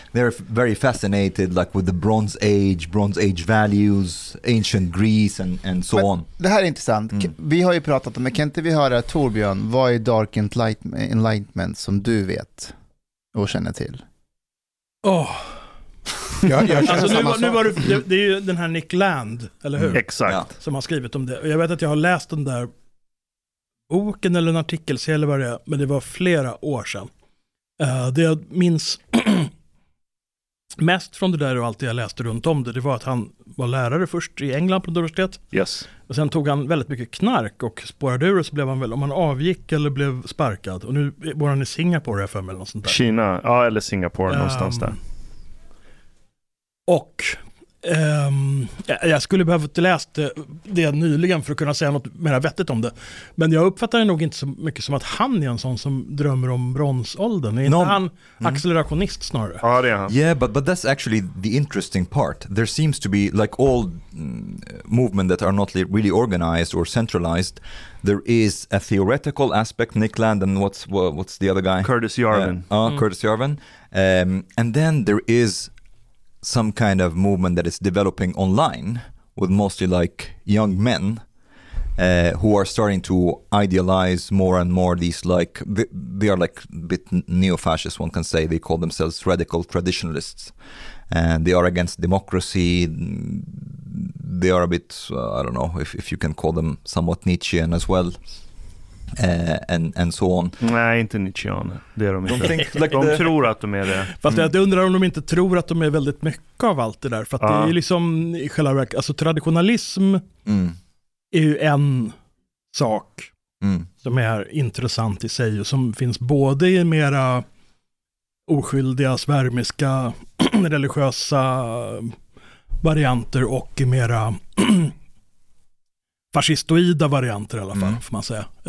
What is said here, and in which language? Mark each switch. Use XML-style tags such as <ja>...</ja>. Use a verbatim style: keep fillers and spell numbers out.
<en>They are very fascinated, like with the Bronze Age, Bronze Age values, ancient Greece, and and so</en> <sv>Men,</sv> <en>on.</en> <sv>Det här är intressant. Mm. Vi har ju pratat om, men kan inte vi höra Torbjörn? Vad är Dark Enlightenment som du vet och känner till? Åh. Oh. Jag, jag alltså, nu var, nu var det, det, det är ju den här Nick Land, eller hur? Mm, exakt. Ja. Som har skrivit om det. Och jag vet att jag har läst den där boken eller en artikelserie eller vad det är, men det var flera år sedan. Uh, det jag minns mest från det där och allt jag läste runt om det, det var att han var lärare först i England på universitet.</sv> <en>Yes.</en> <sv>Och sen tog han väldigt mycket knark och spårade ur, och så blev han väl, om han avgick eller blev sparkad. Och nu bor han i Singapore, jag för mig, eller något sånt där. Kina, ja, eller Singapore, um, någonstans där. Och ehm, jag skulle behöva läsa det, det nyligen för att kunna säga något mer vettigt om det. Men jag uppfattar det nog inte så mycket som att han är en sån som drömmer om bronsåldern. Är inte</sv> <en>no.</en> <sv>han accelerationist mm. snarare? Ja, det är han.</sv> <en>Yeah, but, but that's actually the interesting part. There seems to be, like all movement that are not really organized or centralized, there is a theoretical aspect, Nick Land and what's, what's the other guy? Curtis Yarvin. Uh, uh, mm. Curtis Yarvin. Um, and then there is some kind of movement that is developing online with mostly like young men uh, who are starting to idealize more and more these like they, they are like a bit neo-fascist, one can say. They call themselves radical traditionalists, and they are against democracy. They are a bit uh, I don't know if, if you can call them somewhat Nietzschean as well. Uh, and, and so on.</en> <sv>Nej, inte Nietzscheaner. Det är de inte. De,</sv> <en>think, like</en> <sv>de the... tror att de är det. Fast mm. jag undrar om de inte tror att de är väldigt mycket av allt det där. För att ja. det är liksom i själva verket, alltså traditionalism mm. är ju en sak mm. som är intressant i sig och som finns både i mera oskyldiga, svärmiska, religiösa varianter och i mera fascistoida varianter i alla fall, mm. får man säga.</sv>